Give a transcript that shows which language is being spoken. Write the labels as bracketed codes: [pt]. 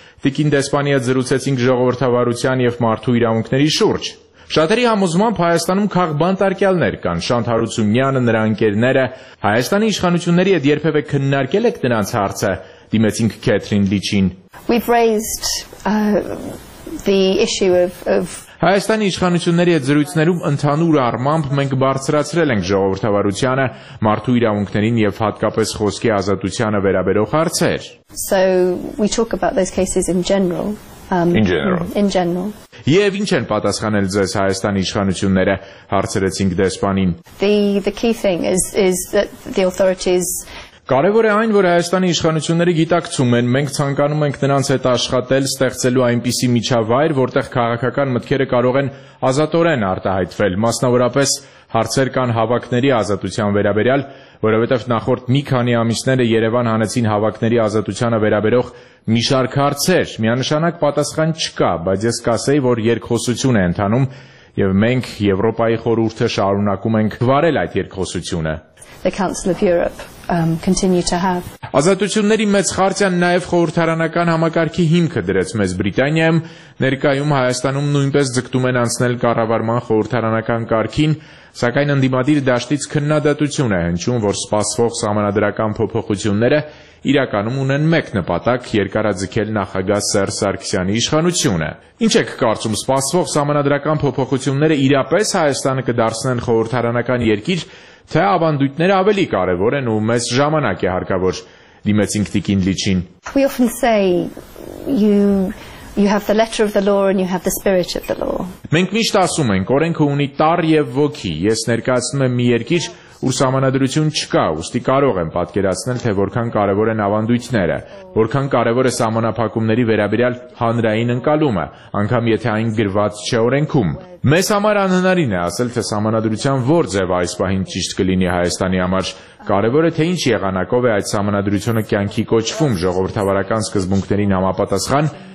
[hy] տիկին դեսպանի հետ զրուցեցինք ժողովրդավարության և մարդու իրավունքների շուրջ։ Շատերի համոզմամբ Հայաստանում քաղ բանտարկյալներ կան, Շանթ Հարությունյանը, նրա ընկերները, Հայաստանի իշխանությունների հետ երբևէ քննարկել եք նրանց հարցը, դիմեցինք Քեթրին Լիչին։ Հայաստանի իշխանությունների հետ զրույցներում ընդհանուր առմամբ մենք բարձրացրել ենք ժողովրդավարությանը, մարդու իրավունքներին և հատկապես խոսքի ազատությանը վերաբերող հարցեր։ [en] So we talk about those cases in general. In general. [hy] Եվ ինչ են պատասխանել ձեզ Հայաստանի իշխանությունները, հարցրեցինք դեսպանին։ [en] The key thing is that the authorities… [hy] Կարևոր է այն, որ Հայաստանի իշխանությունները գիտակցում են, մենք ցանկանում ենք նրանց հետ աշխատել, ստեղծելու այնպիսի միջավայր, որտեղ քաղաքական մտքերը կարող են ազատորեն արտահայտվել, մասնավորապես հարցեր կան հավաքների ազատության վերաբերյալ, որովհետև նախորդ մի քանի ամիսները Երևան հանեցին հավաքների ազատությանը վերաբերող մի շարք հարցեր, միանշանակ պատասխան չկա, բայց ես կասեի, որ երկխոսություն է ընթանում, և մենք Եվրոպայի խորհուրդը շարունակում ենք վարել այդ երկխոսությունը։ [en] The Council of Europe continue to have. [hy] Ազատությունների մեծ խարտիան նաև խորհրդարանական համակարգի հիմքը դրեց Մեծ Բրիտանիայում, ներկայում Հայաստանում նույնպես ձգտում են անցնել կառավարման խորհրդարանական կարգին, սակայն ընդդիմադիր դաշտից քննադատություն է հնչում, որ սպասվող սահմանադրական փոփոխությունները իրականում ունեն մեկ նպատակ՝ երկարաձգել նախագահ Սերժ Սարգսյանի իշխանությունը։ Ինչ եք կարծում, սպասվող սահմանադրական փոփոխությունները իրապես Հայաստանը կդարձնեն խորհրդարանական երկիր, թե ավանդույթները ավելի կարևոր են ու մեծ ժամանակ է հարկավոր, դիմեցինք տիկին Լիչին։ [en] We often say you have the letter of the law and you have the spirit of the law. [hy] Մենք միշտ ասում ենք, օրենքը ունի տառ և ոգի։ Ես ներկայացնում եմ մի երկիր, ուր սահմանադրություն չկա, ուստի կարող եմ պատկերացնել, թե որքան կարևոր են ավանդույթները, որքան կարևոր է սահմանափակումների վերաբերյալ հանրային ընկալումը, անգամ եթե այն գրված չէ օրենքում։ Մեզ համար անհնարին է ասել, թե սահմանադրության որ ձև այս պահին ճիշտ կլինի Հայաստանի համար, կարևոր է, թե ինչ եղանակով է այդ սահմանադրությունը կյանքի կոչվում ժողովրդավարական սկզբունքներին համապատասխան,